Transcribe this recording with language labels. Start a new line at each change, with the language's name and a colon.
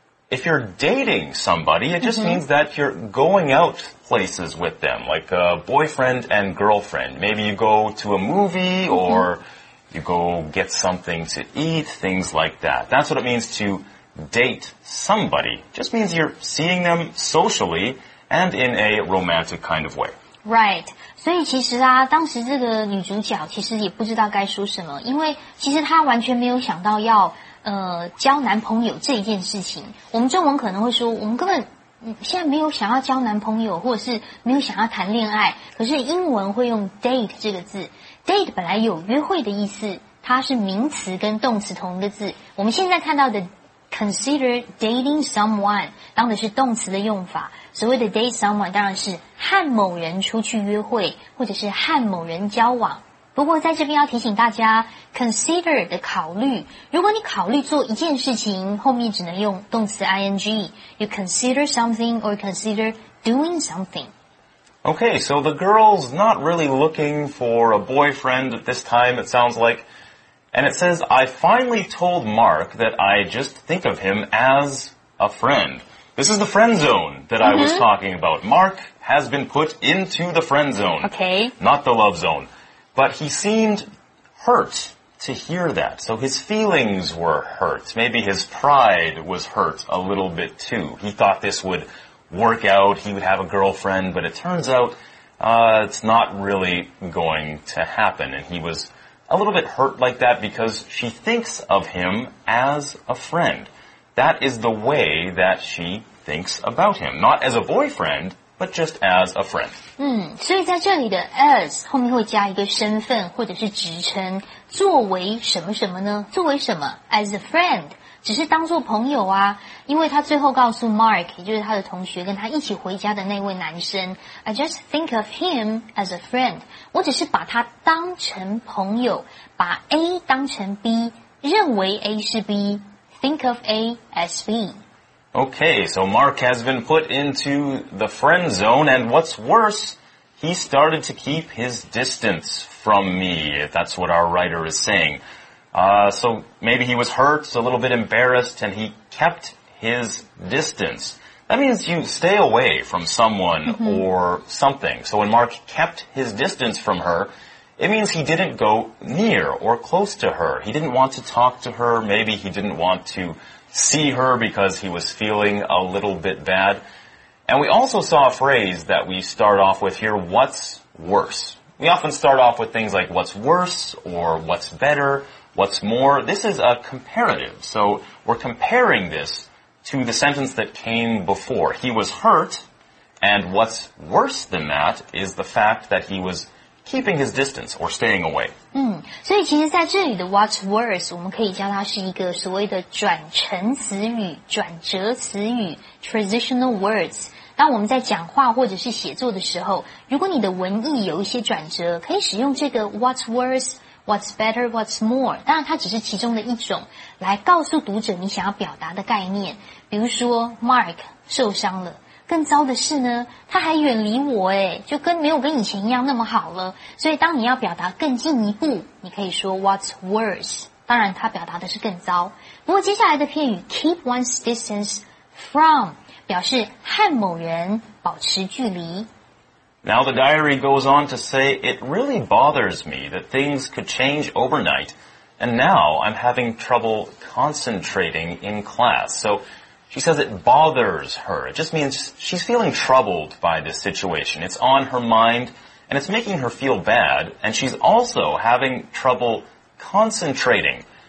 English: If you're dating somebody, it just means that you're going out places with them, like a boyfriend and girlfriend. Maybe you go to a movie or... You go get something to eat, things like that. That's what it means to date somebody. Just means you're seeing them socially and in a romantic kind of way. Right.
Chinese: 所以其实啊，当时这个女主角其实也不知道该说什么，因为其实她完全没有想到要交男朋友这一件事情。我们中文可能会说，我们根本现在没有想要交男朋友，或者是没有想要谈恋爱。可是英文会用 date 这个字。Date 本来有约会的意思，它是名词跟动词同一个字。我们现在看到的
English: consider dating someone
Chinese: 当的是动词的用法。所谓的
English: date someone
Chinese: 当然是和某人出去约会，或者是和某人交往。不过在这边要提醒大家 ，consider 的考虑，如果你考虑做一件事情，后面只能用动词 ing，
English: you consider something or consider doing something。 Okay, so the girl's not really looking for a boyfriend at this time, it sounds like. And it says, I finally told Mark that I just think of him as a friend. This is the friend zone that I was talking about. Mark has been put into the friend zone. Okay. Not the love zone. But he seemed hurt to hear that. So his feelings were hurt. Maybe his pride was hurt a little bit too. He thought this would... work out, he would have a girlfriend, but it turns out, it's not really going to happen. And he was a little bit hurt like that because she thinks of him as a friend. That is the way that she thinks about him. Not as a boyfriend, but just as a friend.
Chinese: 所以在这里的 as, 后面会加一个身份或者是职称。作为什么什么呢？作为什么 ?
English: as a friend.
Chinese: 只是当作朋友啊，因为他最后告诉 Mark， 也就是他的同学跟他一起回家的那位男生 ，
English: I just think of him as a friend。
Chinese: 我只是把他当成朋友，把 A 当成 B，认为 A 是 B,
English: think of A as B. Okay, so Mark has been put into the friend zone, and what's worse, he started to keep his distance from me, if that's what our writer is saying. So maybe he was hurt, a little bit embarrassed, and he kept his distance. That means you stay away from someone、mm-hmm. or something. So when Mark kept his distance from her, it means he didn't go near or close to her. He didn't want to talk to her. Maybe he didn't want to see her because he was feeling a little bit bad. And we also saw a phrase that we start off with here, what's worse. We often start off with things like what's worse or what's better. What's more, this is a comparative, so we're comparing this to the sentence that came before. He was hurt, and what's worse than that is the fact that he was keeping his distance or staying away.
Chinese: 所以其实在这里的
English: what's worse,
Chinese: 我们可以叫它是一个所谓的转乘词语、转折词语
English: transitional words.
Chinese: 当我们在讲话或者是写作的时候，如果你的文意有一些转折，可以使用这个
English: what's worse,What's better, what's more?
Chinese: 当然它只是其中的一种，来告诉读者你想要表达的概念。比如说 ,Mark 受伤了。更糟的是呢，他还远离我诶，就跟没有跟以前一样那么好了。所以当你要表达更进一步，你可以说
English: what's worse?
Chinese: 当然他表达的是更糟。不过接下来的片语 ,
English: keep one's distance from,
Chinese: 表示和某人保持距离。
English: Now the diary goes on to say, it really bothers me that things could change overnight, and now I'm having trouble concentrating in class. So she says it bothers her. It just means she's feeling troubled by this situation. It's on her mind, and it's making her feel bad, and she's also having trouble concentrating.